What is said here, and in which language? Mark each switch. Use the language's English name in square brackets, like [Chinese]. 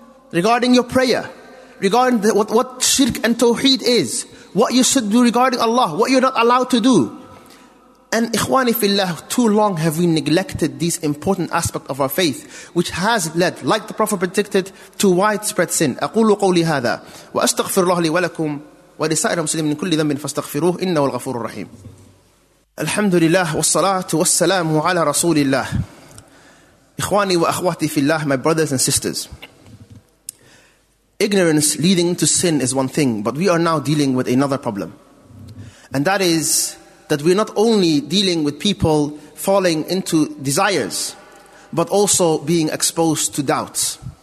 [English] Regarding your prayer, regarding what shirk and tawheed is, what you should do regarding Allah, what you're not allowed to do. And ikhwani fillah, too long have we neglected this important aspect of our faith, which has led, like the Prophet predicted, to widespread sin. [Arabic] أقول قولي هذا وأستغفر الله لي ولكم ولسائر المسلمين من كل ذنب فاستغفروه إنه الغفور الرحيم. الحمد لله والصلاة والسلام على رسول الله. [English] إخواني وأخواتي في الله, my brothers and sisters. Ignorance leading to sin is one thing, but we are now dealing with another problem. And that is that we're not only dealing with people falling into desires, but also being exposed to doubts.